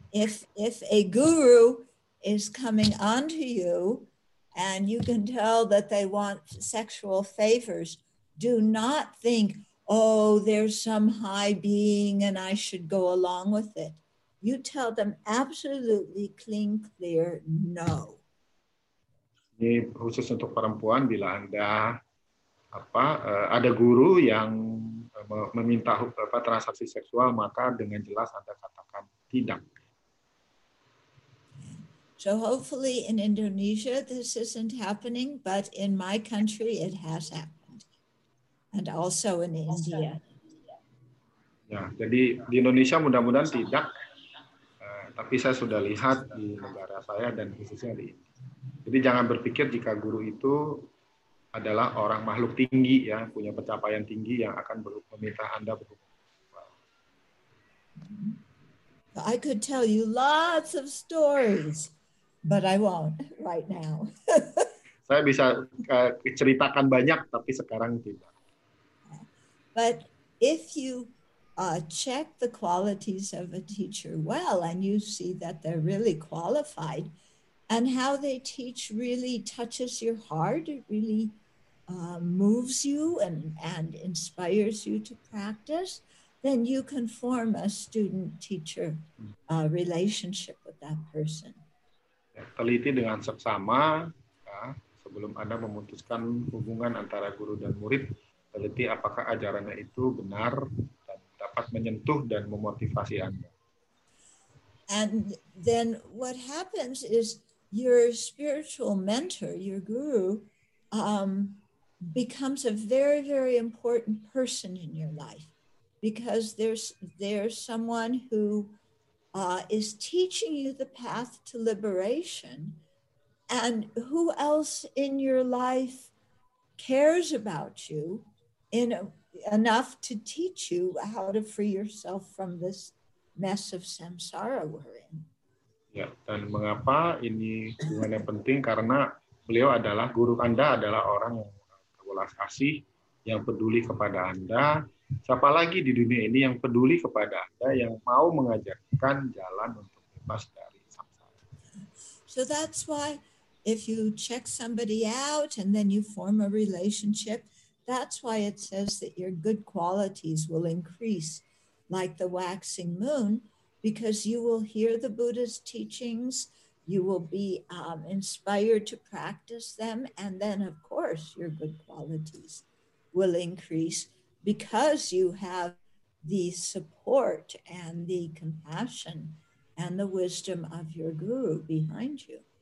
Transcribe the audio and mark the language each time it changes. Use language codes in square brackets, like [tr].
[en] If a guru is coming onto you and you can tell that they want sexual favors, do not think, oh, there's some high being and I should go along with it. You tell them absolutely clean, clear, no. [id] Ini khusus untuk perempuan, bila Anda ada guru yang meminta transaksi seksual, maka dengan jelas Anda katakan tidak. [en] So hopefully in Indonesia this isn't happening, but in my country it has happened, and also in India. [id] Ya, jadi di Indonesia mudah-mudahan tidak, tapi saya sudah lihat di negara saya dan khususnya di India. Jadi jangan berpikir jika guru itu adalah orang makhluk tinggi ya, punya pencapaian tinggi yang akan meminta Anda berhubungan. [en] I could tell you lots of stories. But I won't right now. [id] Saya bisa ceritakan banyak, tapi sekarang tidak. [en] But if you check the qualities of a teacher well, and you see that they're really qualified, and how they teach really touches your heart, it really moves you and inspires you to practice, then you can form a student-teacher relationship with that person. [id] Teliti dengan seksama ya, sebelum Anda memutuskan hubungan antara guru dan murid, teliti apakah ajarannya itu benar dan dapat menyentuh dan memotivasi Anda. [en] And then what happens is your spiritual mentor, your guru, becomes a very, very important person in your life, because there's someone who is teaching you the path to liberation, and who else in your life cares about you enough to teach you how to free yourself from this mess of samsara we're in. [id] Ya, dan mengapa ini hubungan yang penting? Karena beliau adalah guru Anda, adalah orang yang berwelas kasih, yang peduli kepada Anda. Siapa lagi di dunia ini yang peduli kepada Anda, yang mau mengajarkan jalan untuk bebas dari samsara. [en] So that's why if you check somebody out and then you form a relationship, that's why it says that your good qualities will increase like the waxing moon, because you will hear the Buddha's teachings, you will be inspired to practice them, and then of course your good qualities will increase, because you have the support and the compassion and the wisdom of your guru behind you.